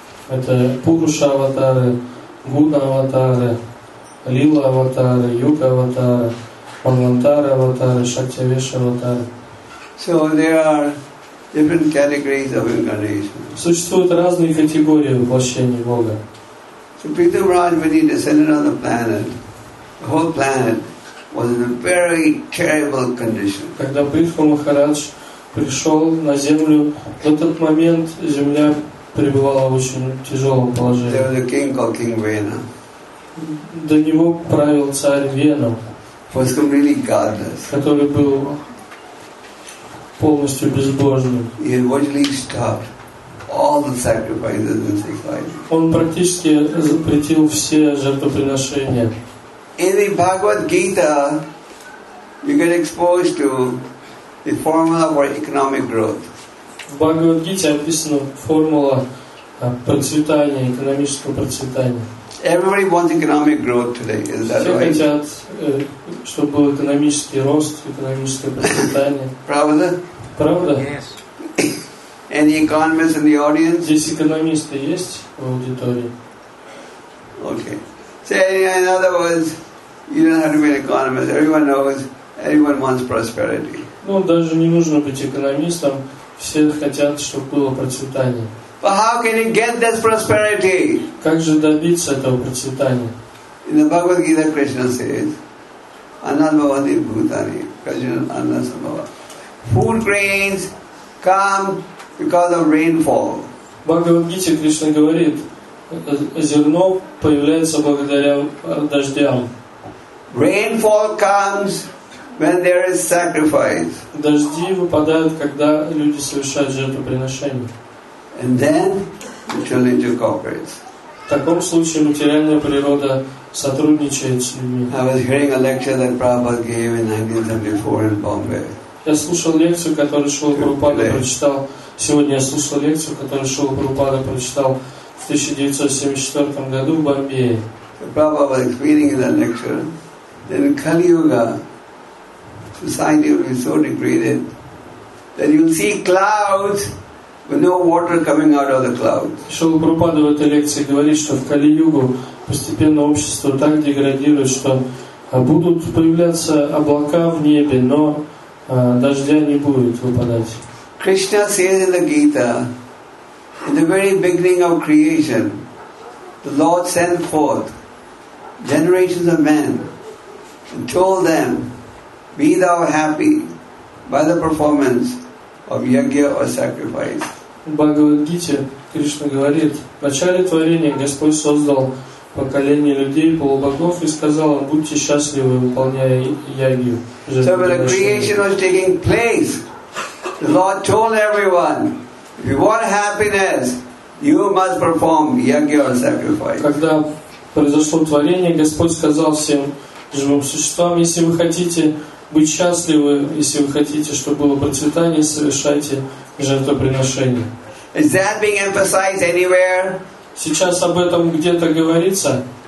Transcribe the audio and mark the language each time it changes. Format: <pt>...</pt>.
<ru>Это Пуруша аватары, Гуна аватары, Лила аватары, Юга аватары, Манвантара аватары, Шактивеша аватары.</ru> <en>So there are different categories of incarnation.</en> <ru>Существуют разные категории воплощения Бога.</ru> <en>So Pritha Maharaj, when he descended on the planet, the whole planet was in a very terrible condition.</en> <ru>Когда Притху Махарадж пришел на Землю, в этот момент Земля пребывала в очень тяжелом положении.</ru> <en>There was a king called King Vena.</en> <ru>До него правил царь Вена,</ru> <en>was completely godless.</en> <ru>Который был полностью безбожным.</ru> <en>He had virtually stopped all the sacrifices and sacrifices.</en> <ru>Он практически запретил все жертвоприношения.</ru> <en>In the Bhagavad Gita, you get exposed to the formula for economic growth.</en> <ru>В Бхагавад-гите описана формула процветания, экономического процветания.</ru> <en>Everybody wants economic growth today, is that right?</en> <ru>Все хотят, чтобы был экономический рост, экономическое процветание. Правда? Правда?</ru> <en>Yes. Any economists in the audience?</en> <ru>Здесь экономисты есть в аудитории?</ru> <en>Okay. So in other words, you don't have to be an economist. Everyone knows, everyone wants prosperity.</en> <ru>Ну, даже не нужно быть экономистом. Все хотят, чтобы было процветание.</ru> <en>But how can you get this prosperity?</en> <ru>Как же добиться этого процветания?</ru> <en>In the Bhagavad Gita, Krishna says,</en> <sa>"Annamavadi bhutani, kajun annasamava."</sa> <en>Food grains come because of rainfall.</en> <ru>В Бхагавад Гите Кришна говорит, зерно появляется благодаря дождям.</ru> <en>Rainfall comes when there is sacrifice.</en> <ru>Дожди выпадают, когда люди совершают жертвоприношение.</ru> <en>And then the challenge cooperates.</en> <ru>В таком случае материальная природа сотрудничает с людьми.</ru> <en>I was hearing a lecture that Prabhupada gave in 1974 in Bombay.</en> <ru>Я слушал лекцию, которую Шрила Прабхупада прочитал. Сегодня я слушал лекцию, которую Шрила Прабхупада прочитал в 1974 году в Бомбее.</ru> <en>Prabhupada was explaining in that lecture that in Kali Yuga, society will be so degraded that you'll see clouds with no water coming out of the clouds.</en> <ru>Шрила Прабхупада в этой лекции говорит, что в Кали-Югу постепенно общество так деградирует, что будут появляться облака в небе, но дождя не будет выпадать.</ru> <en>Krishna says in the Gita, in the very beginning of creation, the Lord sent forth generations of men and told them, be thou happy by the performance of yagya or sacrifice.</en> <ru>В Бхагавад-гите Кришна говорит, в начале творения Господь создал поколение людей, полубогов, и сказал, будьте счастливы, выполняя ягью.</ru> <en>So when the creation was taking place, the Lord told everyone, if you want happiness, you must perform yagya or sacrifice.</en> <ru>Когда произошло творение, Господь сказал всем живым существам, если вы хотите быть счастливы, если вы хотите, чтобы было процветание, совершайте жертвоприношение.</ru> <en>Is that being emphasized anywhere?</en> <ru>Сейчас об этом где-то говорится?</ru>